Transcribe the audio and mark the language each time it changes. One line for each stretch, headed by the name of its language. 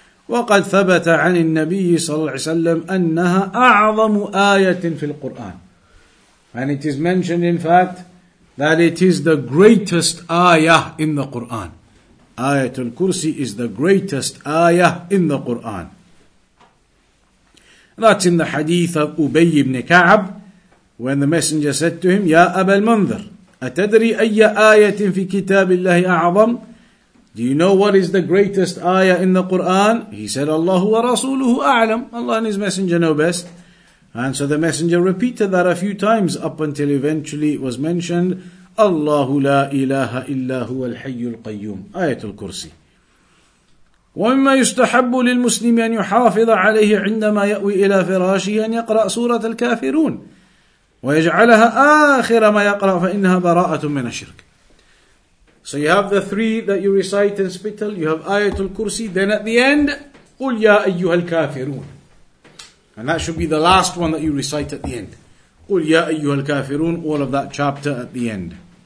Arabic: وقد ثبت عن النبي صلى الله عليه وسلم أنها أعظم آية في القرآن.
English: And it is mentioned in fact that it is the greatest ayah in the Quran. Ayatul Kursi is the greatest ayah in the Quran. That's in the hadith of Ubay ibn Ka'ab. When the messenger said to him,
Arabic: Ya Aba al-Mundhir, atadri ayya ayatin fi kitab Allahi a'azam?
English: Do you know what is the greatest ayah in the Quran? He said,
Arabic: Allahu wa rasuluhu a'lam.
English: Allah and his messenger know best. And so the messenger repeated that a few times up until eventually it was mentioned,
Arabic: Allahu la ilaha illa huwa al-hayyu al-qayyum.
English: Ayatul Kursi.
Arabic: وَمِمَّا يُسْتَحَبُّ لِلْمُسْلِمِ أَنْ يُحَافِظَ عَلَيْهِ عِنَّمَا يَأْوِي إِلَى فِرَاشِهِ أَنْ يَقْرَأْ سُورَةَ الْكَافِرُونَ ويجعلها آخر ما يقرأ فإنها براءة من الشرك.
English: So you have the three that you recite in spittle. You have Ayatul Kursi. Then at the end,
Arabic: قُلْ يَا أَيُّهَا الْكَافِرُونَ.
English: And that should be the last one that you recite at the end.
Arabic: قُلْ يَا أَيُّهَا الْكَافِرُونَ.
English: All of that chapter at the end.